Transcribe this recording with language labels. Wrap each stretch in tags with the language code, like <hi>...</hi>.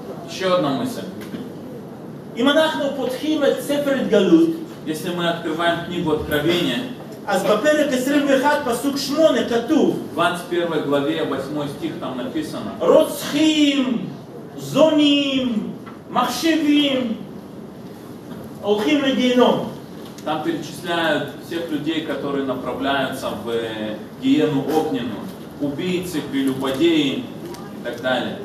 <ru>Еще одна мысль. Если мы открываем книгу Откровения,</ru> <he>אז בפרק 21 פסוק 8 כתוב</he> <ru>21 главе 8 стих там написано</ru> <he>רוצחים, זונים, מחשבים הולכים לגיהנום.</he> <ru>Там перечисляют всех людей, которые направляются в гиену огненную, убийцы, прелюбодеи и так далее.</ru>